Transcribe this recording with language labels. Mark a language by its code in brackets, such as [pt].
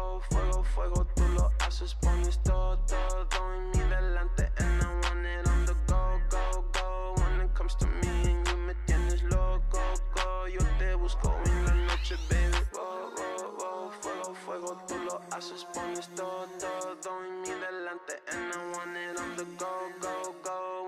[es] Fuego, fuego, tú lo haces, pones todo, todo, todo en mi delante. [en] And I want it on the go, go, go. When it comes to me and you [es] me tienes loco, [en] go. [es] Yo te busco en la noche, baby. Fuego, fuego, fuego, tú lo haces, pones todo, todo, todo en mi delante. [en] And I want it on the go, go, go.